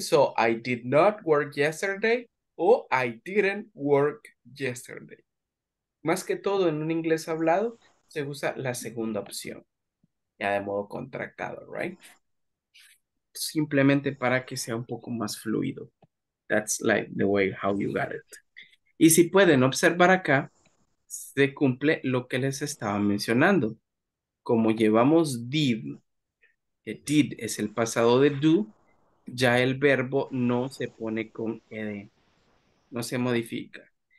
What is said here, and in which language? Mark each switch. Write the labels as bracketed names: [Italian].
[English] So, I did not work yesterday o I didn't work yesterday. [Spanish] Más que todo en un inglés hablado, se usa la segunda opción. Ya de modo contractado, right? Simplemente para que sea un poco más fluido. [English] That's like the way how you got it. [Spanish] Y si pueden observar acá, se cumple lo que les estaba mencionando. Como llevamos did, que did es el pasado de do, ya el verbo no se pone con ed, no se modifica.